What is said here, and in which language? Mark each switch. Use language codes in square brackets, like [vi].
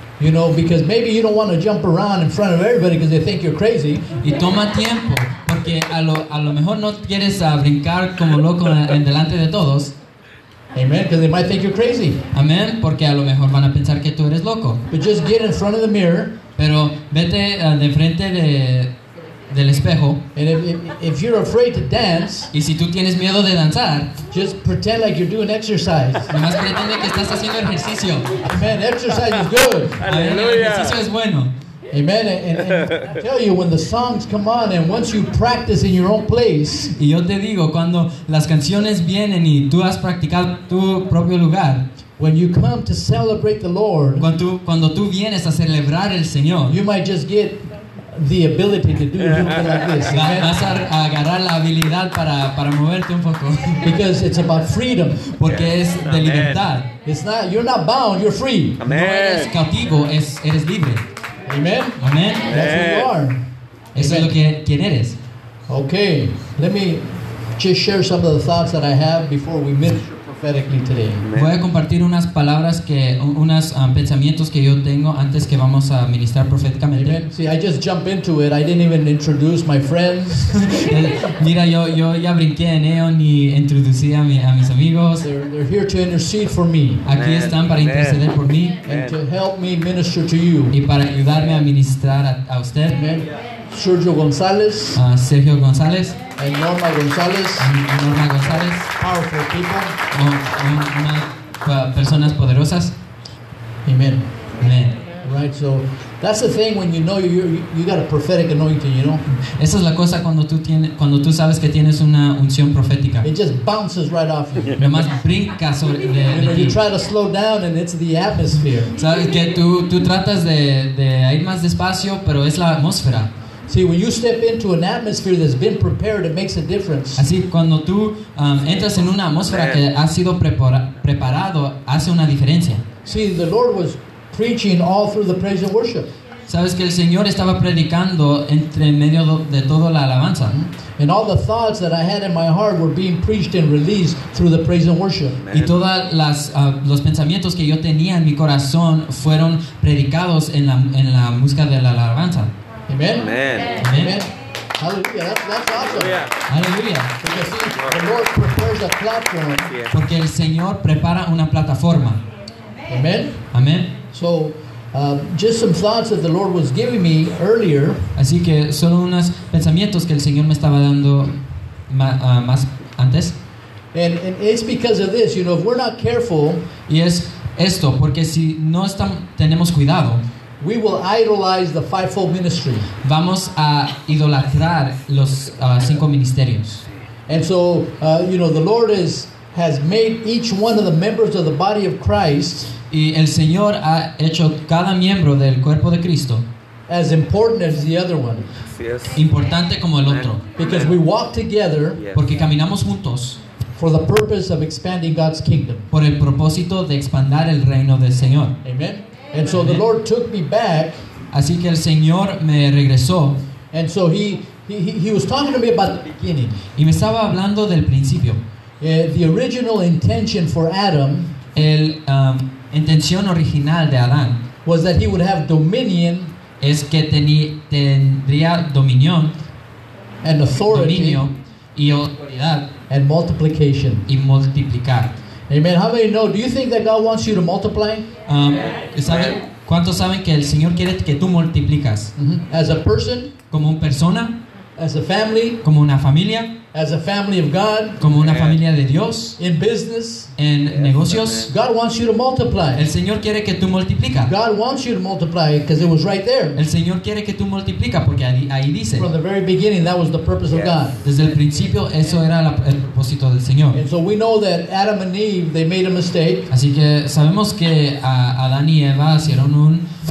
[en] You know, because maybe you don't want to jump around in front of everybody because they think you're crazy. [es] Y toma tiempo, porque a lo mejor no quieres brincar como loco en delante de todos. [en] Amen, because they might think you're crazy. [es] Amen, porque a lo mejor van a pensar que tú eres loco. [en] But just get in front of the mirror. [es] Pero vete de frente del espejo. [en] And if you're afraid to dance, [es] y si tú tienes miedo de danzar, [en] just pretend like you're doing exercise. [es] Nomás pretende que estás haciendo ejercicio. [en] Amen, exercise is good. [es] Aleluya. Ejercicio es bueno. Amen. [en] And I tell you, when the songs come on, and once you practice in your own place, [es] y yo te digo, cuando las canciones vienen y tú has practicado tu propio lugar, [en] when you come to celebrate the Lord, [es] cuando tú vienes a celebrar el Señor, [en] you might just get the ability to do something like this. Amen. [es] Vas a agarrar la habilidad para moverte un poco. [en] Because it's about freedom. [es] Porque es de libertad. [en] Amen. It's not, you're not bound, you're free. Amen. [es] No eres cautivo, eres libre. Amen. Amen. [en] That's who you are. [es] Eso es lo que quién eres. [en] Okay. Let me just share some of the thoughts that I have before we minister prophetically today. [es] Amen. Voy a compartir unas palabras que unas pensamientos que yo tengo antes que vamos a ministrar proféticamente. [en] Amen. See, I just jumped into it. I didn't even introduce my friends. [es] Mira, yo ya brinqué en ello ni introducí a mis amigos. [en] They're here to intercede for me. [es] Aquí están para interceder por mí. [en] And to help me minister to you. [es] Y para ayudarme a ministrar a usted. Amen. Sergio González. Sergio González. [en] And Norma González. Norma González. Powerful people. [es] Personas poderosas. Amen. Amen. [en] Right, so that's the thing when you know you got a prophetic anointing, you know. [es] Esa es la cosa cuando tú sabes que tienes una unción profética. [en] It just bounces right off you. [es] Nomás brinca sobre de [en] you know, you try to slow down and it's the atmosphere. [es] Sabes que tú tratas de ir más despacio, pero es la atmósfera. [en] See, when you step into an atmosphere that's been prepared, it makes a difference. [es] Así, cuando tú entras en una atmósfera que ha sido preparado, hace una diferencia. [en] See, the Lord was preaching all through the praise and worship. [es] Sabes que el Señor estaba predicando entre medio de toda la alabanza. [en] And all the thoughts that I had in my heart were being preached and released through the praise and worship. [es] Y todas las los pensamientos que yo tenía en mi corazón fueron predicados en la música de la alabanza. Amen. Amen. Amen. Amen. [en] Hallelujah. That's awesome. Hallelujah. Because the Lord prepares a platform. [es] Porque el Señor prepara una plataforma. Amen. Amen. [en] So, just some thoughts that the Lord was giving me earlier. [es] Así que solo unos pensamientos que el Señor me estaba dando más antes. [en] And it's because of this, you know, if we're not careful. [es] Y es esto, porque si no tenemos cuidado. [en] We will idolize the fivefold ministry. [es] Vamos a idolatrar los cinco ministerios. [en] And so, you know, the Lord has made each one of the members of the body of Christ. [es] Y el Señor ha hecho cada miembro del cuerpo de Cristo [en] as important as the other one. Yes. [es] Importante como el otro. [en] Because we walk together. Yes. [es] Porque caminamos juntos. [en] For the purpose of expanding God's kingdom. [es] Por el propósito de expandir el reino del Señor. [en] Amen. And so the Lord took me back. [es] Así que el Señor me regresó. [en] And so he was talking to me about the beginning. [es] Y me estaba hablando del principio. [en] The original intention for Adam. [es] El intención original de Adán. [en] Was that he would have dominion. [es] Es que tendría dominión. [en] And authority. [es] Dominio y autoridad. [en] And multiplication. [es] Y multiplicar. Amen. [en] How many know? Do you think that God wants you to multiply? [es] ¿Sabe, cuántos saben que el Señor quiere que tú multiplicas? [en] Mm-hmm. As a person. [es] Como una persona. [en] As a family. [es] Como una familia. [en] As a family of God. [es] Como una familia de Dios. [en] In business. [es] En negocios. [en] God wants you to multiply. [es] El Señor quiere que tú multiplicas. [en] God wants you to multiply because it was right there. [es] El Señor quiere que tú multiplicas porque ahí dice. [en] From the very beginning, that was the purpose of God. [es] Desde el principio, eso era el propósito del Señor. [en] And so we know that Adam and Eve, they made a mistake. [es] Así que sabemos que Adán y Eva hicieron un